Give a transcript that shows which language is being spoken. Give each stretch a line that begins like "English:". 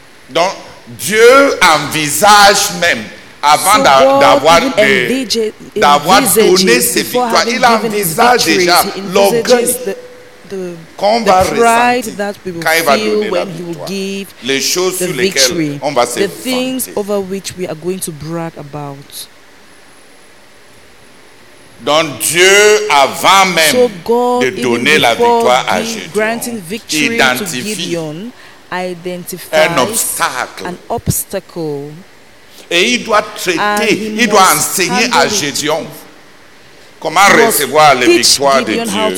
French: Donc, Dieu envisage même, avant d'avoir donné ses victoires, il envisage déjà l'orgueil qu'on va ressentir quand il va donner la victoire, les choses sur lesquelles on va se vanter.
English: The things over which we are going to brag about.
French: Donc Dieu, avant même de donner la victoire à Gédéon, identifie un obstacle. Et il doit traiter, il doit enseigner à Gédéon comment recevoir les victoires de Dieu